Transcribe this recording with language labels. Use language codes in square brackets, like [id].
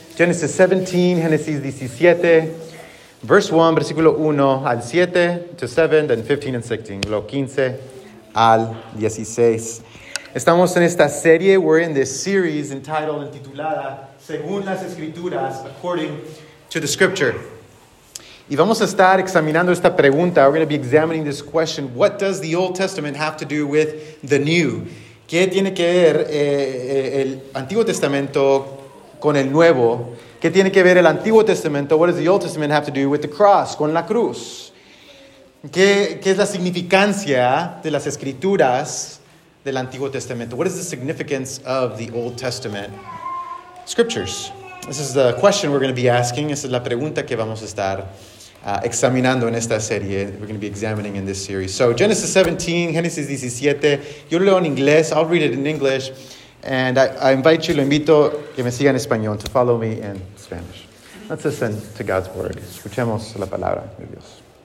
[en] Genesis 17, Génesis 17. Verse 1, [es] versículo 1 al 7 [en] to 7, then 15 and 16, [es] lo 15 al 16. Estamos en esta serie, [en] we're in this series entitled, intitulada, [es] Según las Escrituras, [en] According to the Scripture. [es] Y vamos a estar examinando esta pregunta, [en] we're going to be examining this question, what does the Old Testament have to do with the New? [es] ¿Qué tiene que ver el Antiguo Testamento con el Nuevo? ¿Qué tiene que ver el Antiguo Testamento? [en] What does the Old Testament have to do with the cross, [es] con la cruz? ¿Qué es la significancia de las Escrituras del Antiguo Testamento? [en] What is the significance of the Old Testament Scriptures? This is the question we're going to be asking. [es] Esa es la pregunta que vamos a estar examinando en esta serie. [en] We're going to be examining in this series. So, Genesis 17, Génesis 17. [es] Yo lo leo en inglés. [en] I'll read it in English. And I invite you, [es] lo invito que me siga en español, [en] to follow me in Spanish. Let's listen to God's word. [es] Escuchemos la palabra de Dios.